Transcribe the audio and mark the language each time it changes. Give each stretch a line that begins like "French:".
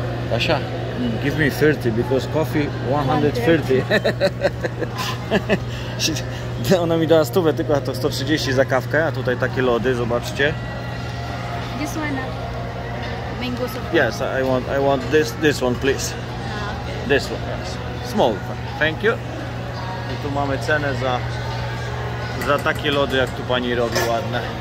English: Kasia, give me 30, because coffee 130.
Polish: Ona mi dała 100, tylko to 130 za kawkę, a tutaj takie lody, zobaczcie.
English: This one, mango. Yes, I want this one, please. Okay. This one, yes. Small. Thank you.
Polish: I tu mamy cenę za takie lody, jak tu pani robi, ładne.